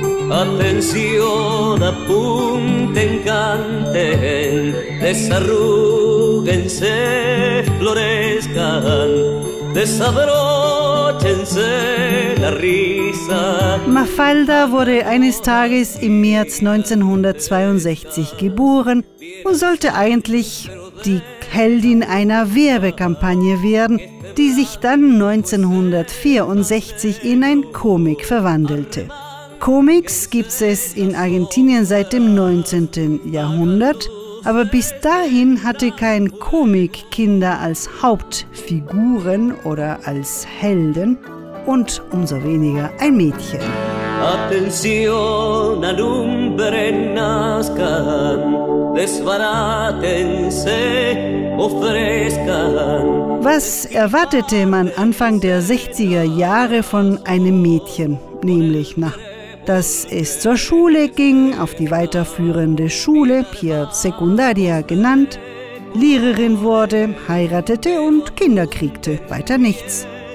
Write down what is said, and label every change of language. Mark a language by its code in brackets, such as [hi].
[es] Atención, apunten, canten, desarrúguense, florezcan, desabróchense la risa. [de] Mafalda wurde eines Tages im März 1962 geboren und sollte eigentlich die Heldin einer Werbekampagne werden, die sich dann 1964 in ein Comic verwandelte. Comics gibt es in Argentinien seit dem 19. Jahrhundert, aber bis dahin hatte kein Comic Kinder als Hauptfiguren oder als Helden und umso weniger ein Mädchen. [es] Atención, alumbren, nazcan, desbarátense, ofrezcan. [de] Was erwartete man Anfang der 60er Jahre von einem Mädchen, nämlich nach dass es zur Schule ging, auf die weiterführende Schule, hier Secundaria genannt, Lehrerin wurde, heiratete und Kinder kriegte, weiter nichts.